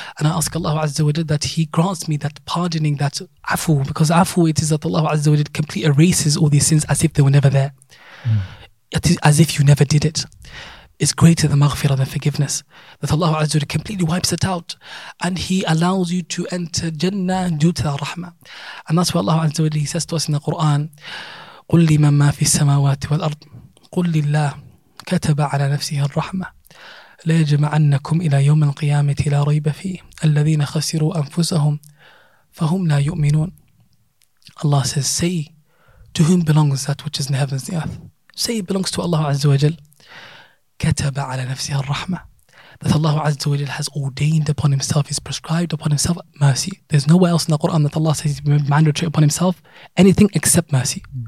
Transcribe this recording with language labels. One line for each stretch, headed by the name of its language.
English: And I ask Allah Azza wa Jal that He grants me that pardoning, that afu, because afu, it is that Allah Azza wa Jal completely erases all these sins as if they were never there. As if you never did it. Is greater than maghfirah, than forgiveness. That Allah Azza wa Jalla completely wipes it out, and He allows you to enter Jannah due to that rahmah. And that's what Allah Azza wa Jalla says to us in the Quran,
Arabic: قُلْ لِمَنْ مَا فِي السَّمَاوَاتِ وَالْأَرْضِ قُلْ لِلَّهِ كَتَبَ عَلَى نَفْسِهِ الرَّحْمَةِ لَيَجْمَعَنَّكُمْ إِلَى يَوْمِ الْقِيَامَةِ لَا رَيْبَ فِيهِ الَّذِينَ خَسِرُوا أَنفُسَهُمْ فَهُمْ لَا يُؤْمِنُونَ.
English: Allah says, say, to whom belongs that which is in the heavens and the earth? Say, it belongs to Allah Azza wa Jalla.
Arabic: كَتَبَ عَلَى نَفْسِهَا الرَّحْمَةِ.
English: That Allah Azza wa Jal has ordained upon Himself, He's prescribed upon Himself mercy. There's nowhere else in the Quran that Allah says He's mandatory upon Himself anything except mercy.